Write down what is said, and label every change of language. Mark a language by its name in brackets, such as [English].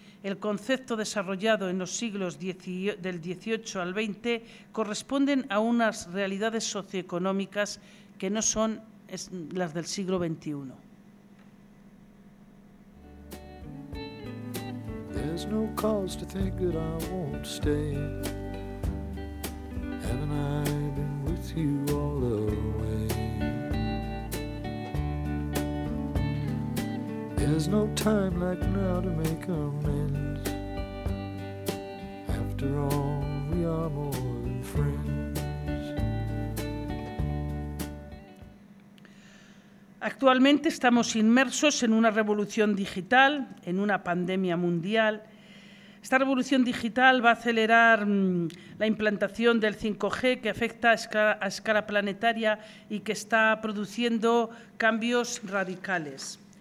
[Spanish] El concepto desarrollado en los siglos del XVIII al XX corresponden a unas realidades socioeconómicas que no son las del siglo XXI. [English] There's no cause to think that I won't stay. Haven't I been with you all the way? There's no time like now to make amends. After all, we are more than friends. [Spanish] Actualmente estamos inmersos en una revolución digital, en una pandemia mundial. Esta revolución digital va a acelerar la implantación del 5G que afecta a escala planetaria y que está produciendo cambios radicales.